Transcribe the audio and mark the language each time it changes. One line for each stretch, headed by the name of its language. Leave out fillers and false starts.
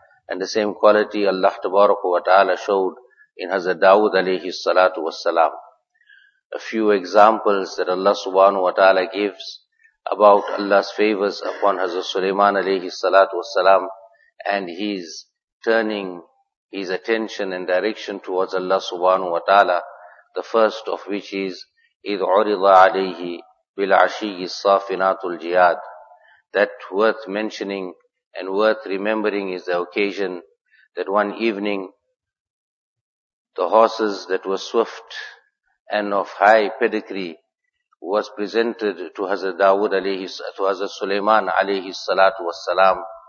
English: And the same quality Allah tabaraka wa ta'ala showed in Hazrat Dawood alayhi salatu wassalam. A few examples that Allah subhanahu wa ta'ala gives about Allah's favors upon Hazrat Sulaiman alayhi salatu wassalam, and his turning his attention and direction towards Allah subhanahu wa ta'ala. The first of which is,
Arabic: إِذْ عُرِضَ عَلَيْهِ بِالْعَشِيِّ الصَّافِنَاتُ الْجِيَادِ.
English: That worth mentioning and worth remembering is the occasion that one evening the horses that were swift and of high pedigree was presented to Hazrat Dawood alayhi, to Hazrat Sulaiman alayhi salatu wassalam.